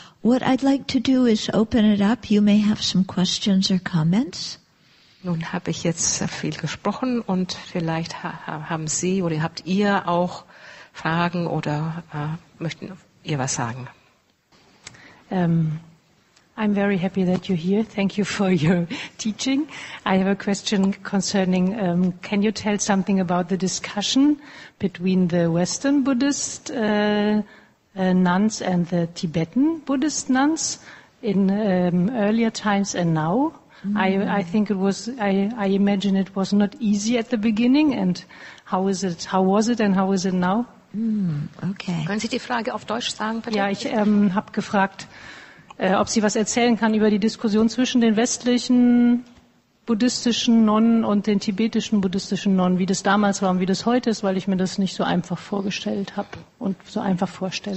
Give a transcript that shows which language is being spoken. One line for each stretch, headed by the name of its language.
English: What I'd like to do is open it up. You may have some questions or comments.
German: Nun habe ich jetzt viel gesprochen und vielleicht haben Sie oder habt ihr auch Fragen oder möchten ihr was sagen?
English: I'm very happy that you're here. Thank you for your teaching. I have a question concerning, can you tell something about the discussion between the Western Buddhist nuns and the Tibetan Buddhist nuns in earlier times and now? I imagine it was not easy at the beginning, and how is it, how was it and how is it now? Okay.
German: Können Sie die Frage auf Deutsch sagen, bitte? Ja, ich habe gefragt, ob sie was erzählen kann über die Diskussion zwischen den westlichen buddhistischen Nonnen und den tibetischen buddhistischen Nonnen, wie das damals war und wie das heute ist, weil ich mir das nicht so einfach vorgestellt habe und so einfach vorstelle.